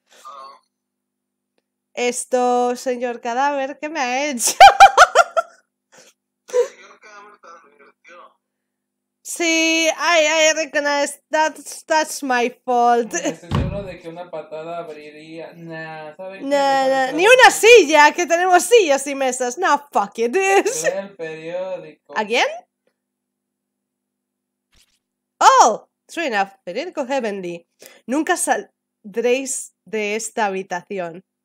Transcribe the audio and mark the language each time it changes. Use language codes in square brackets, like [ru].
[es] Déjame salir. Esto, señor cadáver, ¿qué me ha hecho? Señor cadáver, sí, [en] I recognize that's my fault. [es] Estoy seguro de que una patada abriría. Nah, ni una silla, que tenemos sillas y mesas. [en] No, fuck it. [es] Lee el periódico. ¿A quién? [en] Oh, true enough, periódico Heavenly. [es] Nunca saldréis de esta habitación.